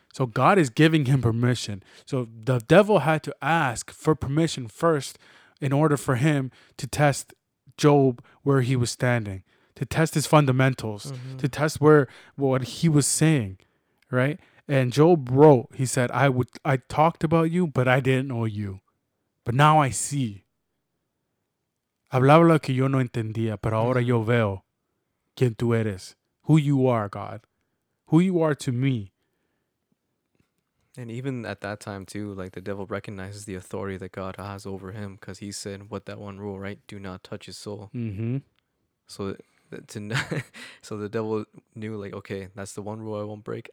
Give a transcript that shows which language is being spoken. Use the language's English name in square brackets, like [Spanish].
[English] So God is giving him permission. So the devil had to ask for permission first in order for him to test Job where he was standing. To test his fundamentals, to test what he was saying, right? And Job wrote, he said, I talked about you, but I didn't know you. But now I see. [Spanish] Hablaba lo que yo no entendía, pero ahora yo veo quién tú eres. [English] Who you are, God. Who you are to me. And even at that time too, like the devil recognizes the authority that God has over him because he said, what that one rule, right? Do not touch his soul. So the devil knew, like, okay, that's the one rule I won't break.